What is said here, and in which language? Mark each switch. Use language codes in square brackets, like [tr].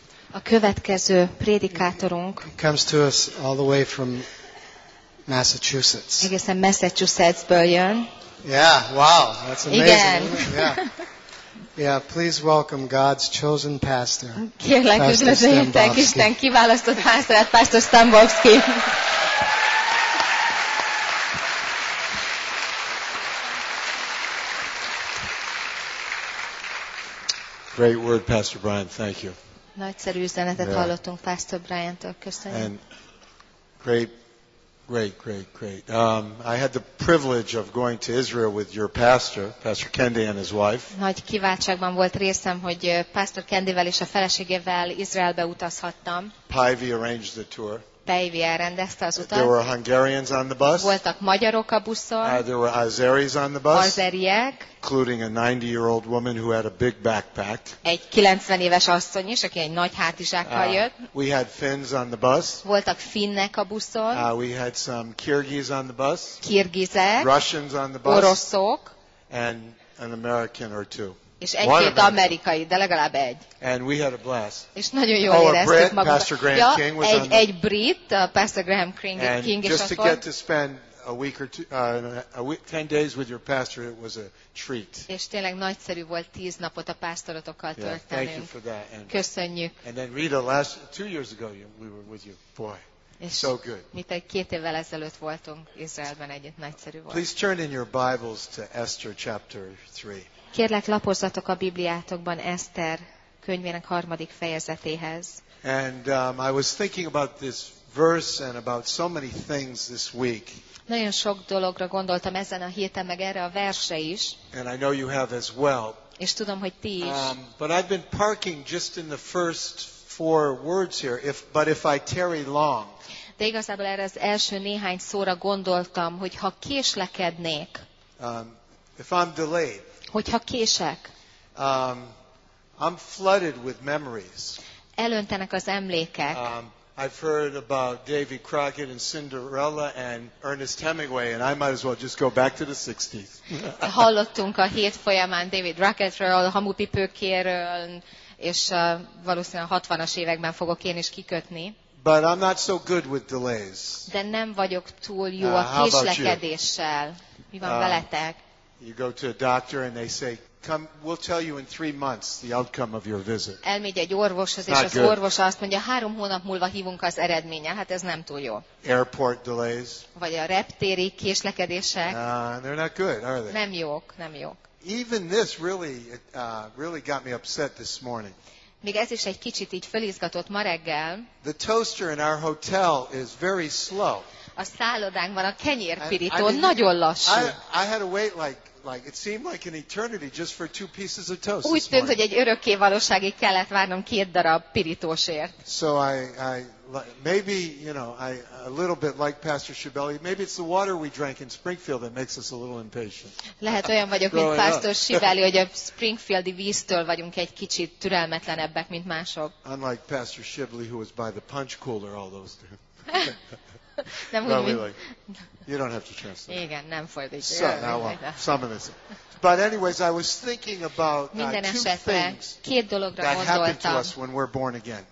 [hu] A következő prédikátorunk [en] comes to us all the way from Massachusetts. [hu] Egészen Massachusettsből jön. [en] Yeah, wow, that's amazing. [hu] Igen. [en] Isn't it? Yeah, please welcome God's chosen pastor. [hu] Kérlek, üdvözöljétek Isten kiválasztott pásztorát, Pastor Stambovsky. [en] Great word, Pastor Brian. Thank you. [hu] Nagyszerű üzenetet hallottunk Pastor Brian-tól. Köszönjük. [en] And great. I had the privilege of going to Israel with your pastor, Pastor Kendi and his wife. [hu] Nagy kiváltságban volt részem, hogy Pastor Kendivel és a feleségével Izraelbe utazhattam. [en] Pivi arranged the tour. [hu] Pivi elrendezte az utat. [en] There were Hungarians on the bus. [hu] Voltak magyarok a buszon. [en] There were Azeris on the bus. [hu] Azeriek. [en] Including a 90-year-old woman who had a big backpack. [hu] Egy 90 éves asszony is, aki egy nagy hátizsákkal jött. [en] We had Finns on the bus. [hu] Voltak finnek a buszon. [en] We had some Kyrgyz on the bus. [hu] Kirgizek. [en] Russians on the bus. [hu] Oroszok. [en] And an American or two. [hu] És egy-két amerikai, de legalább egy. [en] And we had a blast. [hu] És nagyon jól éreztük magunkat. [en] Oh, a Brit, Pastor Graham King was [hu] egy, on. Egy Brit, Pastor Graham King is ott. [en] And just to get to spend a week or two, 10 days with your pastor, it was a treat. [hu] És tényleg nagyszerű volt 10 napot a pásztorotokkal töltenünk. [en] Yeah, thank you for that. And [hu] köszönjük. [en] And then Rita, two years ago we were with you. Boy, so good. [hu] Mint egy két évvel ezelőtt voltunk Izraelben együtt, nagyszerű volt. [en] Please turn in your Bibles to Esther chapter 3. [hu] Kérlek, lapozzatok a Bibliátokban Eszter könyvének harmadik fejezetéhez. [en] And I was thinking about this verse and about so many things this week. [hu] Nagyon sok dologra gondoltam ezen a héten, meg erre a verse is. [en] And I know you have as well. [hu] És tudom, hogy ti is. [en] But I've been parking just in the first four words here. If I tarry long. [hu] De igazából erre az első néhány szóra gondoltam, hogy ha késlekednék. [en] If I'm delayed. [hu] Hogyha kések. [en] I'm flooded with memories. [hu] Elöntenek az emlékek. [en] I've heard about Davy Crockett and Cinderella and Ernest Hemingway, and I might as well just go back to the 60s. [hu] Hallottunk a hét folyamán Davy Crockettről, hamupipőkéről, és valószínűleg 60-as években fogok én is kikötni. [en] But I'm not so good with delays. [hu] De nem vagyok túl jó a késlekedéssel. Mi van veletek? [en] You go to a doctor and they say, "Come, we'll tell you in 3 months the outcome of your visit." [hu] Elmegy egy orvoshoz, és az orvos azt mondja, 3 hónap múlva hívunk az eredménye. Hát ez nem túl jó. [en] Airport delays. [hu] Vagy a reptéri késlekedések. [en] They're not good, are they? [hu] Nem jók. [en] Even this really got me upset this morning. [hu] Még ez is egy kicsit így fölizgatott ma reggel. [en] The toaster in our hotel is very slow. [hu] A szállodánkban a kenyérpirító nagyon lassú. [en] I had to wait like it seemed like an eternity just for two pieces of toast. [hu] Úgy tűnt, hogy egy örökkévalóságig kellett várnom két darab pirítósért. [en] So I maybe, you know, I a little bit like Pastor Shibeli, maybe it's the water we drank in Springfield that makes us a little impatient. [hu] Lehet olyan vagyok, mint Pastor Shibeli, hogy a springfieldi víztől vagyunk egy kicsit türelmetlenebbek, mint mások. [en] Unlike Pastor Shibeli, who was by the punch cooler all those days. [hu] nem úgy, mint... [en] You don't have to translate. [hu] Igen, nem fordítja. [en] Some of this. But anyways, I was thinking about two things that happened to us when we're born again.